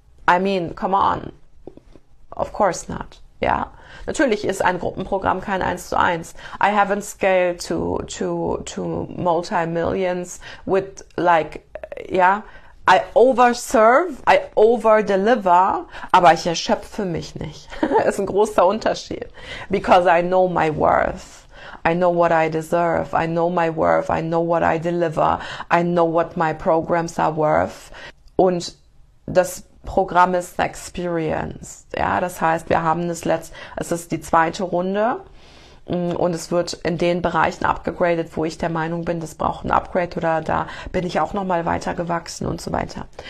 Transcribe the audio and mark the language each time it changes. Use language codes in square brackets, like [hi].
[en] I mean, come on. Of course not. [de] Ja, natürlich ist ein Gruppenprogramm kein 1:1. [en] I haven't scaled to multi-millions with like, ja, yeah, I overserve, I overdeliver, [de] aber ich erschöpfe mich nicht. Ist ein großer Unterschied. [en] Because I know my worth. I know what I deserve. I know my worth. I know what I deliver. I know what my programs are worth. [de] Und das Programm ist Experience. Ja, das heißt, wir haben das letzte, es ist die zweite Runde und es wird in den Bereichen abgegradet, wo ich der Meinung bin, das braucht ein Upgrade oder da bin ich auch nochmal weiter gewachsen und so weiter.